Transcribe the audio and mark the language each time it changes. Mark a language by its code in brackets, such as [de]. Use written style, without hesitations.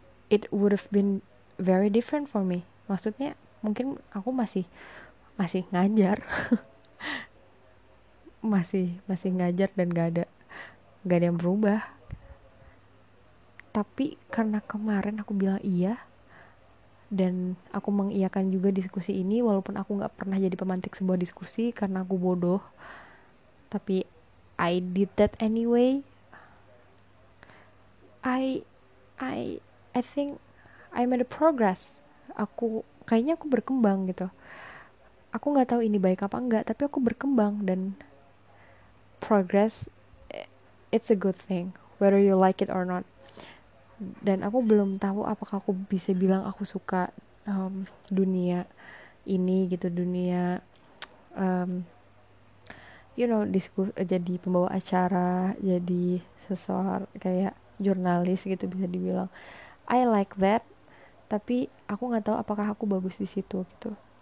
[en] It would have been very different for me. [id] Maksudnya, mungkin aku masih ngajar, masih ngajar dan gak ada yang berubah. Tapi karena kemarin aku bilang iya, dan aku mengiyakan juga diskusi ini walaupun aku gak pernah jadi pemantik sebuah diskusi karena aku bodoh, tapi [en] I did that anyway. I think I made a progress. [id] Aku kayaknya aku berkembang gitu. Aku gak tahu ini baik apa enggak, tapi aku berkembang. [en] Dan progress, it's a good thing whether you like it or not. [id] Dan aku belum tahu apakah aku bisa bilang aku suka dunia ini gitu, dunia [en] you know, [id] jadi pembawa acara, jadi seseorang kayak jurnalis gitu bisa dibilang [en] I like that, [id] tapi aku nggak tahu apakah aku bagus di situ gitu.